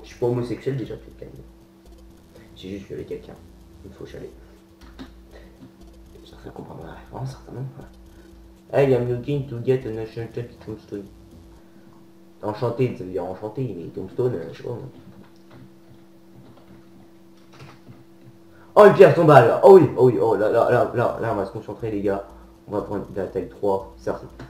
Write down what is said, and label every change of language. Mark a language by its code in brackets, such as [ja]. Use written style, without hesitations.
[fr] Je suis pas homosexuel déjà, tu te calmes. J'ai juste vu avec quelqu'un. Il faut chaler. Certains comprendront la référence, certainement. Ouais. [en] Hey, I'm looking to get a national check tombstone. [fr] Enchanté, ça veut dire enchanté, mais tombstone, je sais pas. Non. Oh, une pierre tombale. Oh oui, oh là, on va se concentrer, les gars. On va prendre la taille 3, certes.